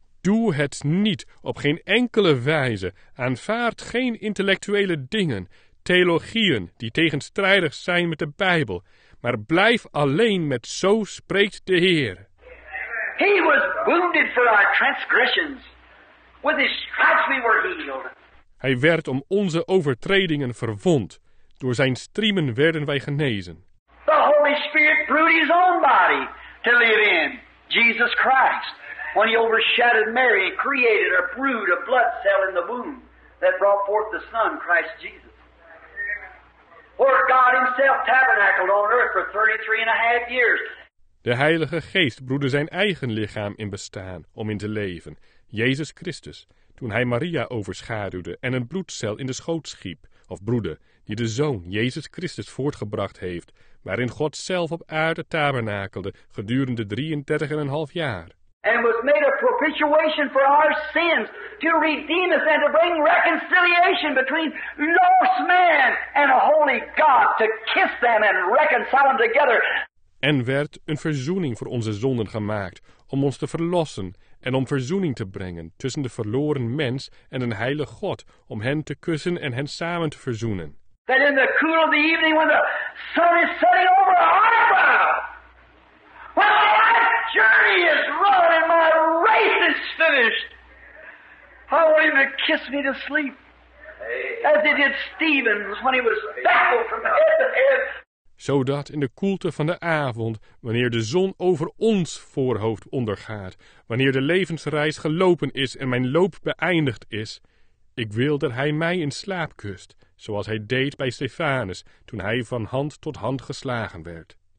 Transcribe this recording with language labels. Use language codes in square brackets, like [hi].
[nl] Doe het niet op geen enkele wijze. Aanvaard geen intellectuele dingen, theologieën die tegenstrijdig zijn met de Bijbel. Maar blijf alleen met zo spreekt de Heer. [en] He was wounded for our transgressions. With his stripes we were healed. [nl] Hij werd om onze overtredingen verwond. Door zijn striemen werden wij genezen. [en] The Holy Spirit brewed his own body to live in. Jesus Christ. When he overshadowed Mary, he created a brood, a blood cell in the womb that brought forth the Son, Christ Jesus. Where God himself tabernacled on earth for 33.5 years. [nl] De Heilige Geest broedde zijn eigen lichaam in bestaan om in te leven, Jezus Christus, toen hij Maria overschaduwde en een bloedcel in de schoot schiep, of broedde, die de Zoon, Jezus Christus, voortgebracht heeft, waarin God zelf op aarde tabernakelde gedurende 33.5 jaar. [en] And was made a propitiation for our sins, to redeem us and to bring reconciliation between lost man and a holy God, to kiss them and reconcile them together. [nl] En werd een verzoening voor onze zonden gemaakt, om ons te verlossen en om verzoening te brengen tussen de verloren mens en een heilig God, om hen te kussen en hen samen te verzoenen. [en] That in the cool of the evening when the sun is setting over a heart of God, when my life journey is run and my race is finished, I want him to kiss me to sleep, as he did Stephen's when he was baffled from head to head. [nl] Zodat in de koelte van de avond, wanneer de zon over ons voorhoofd ondergaat, wanneer de levensreis gelopen is en mijn loop beëindigd is, ik wil dat hij mij in slaap kust, zoals hij deed bij Stefanus toen hij van hand tot hand geslagen werd.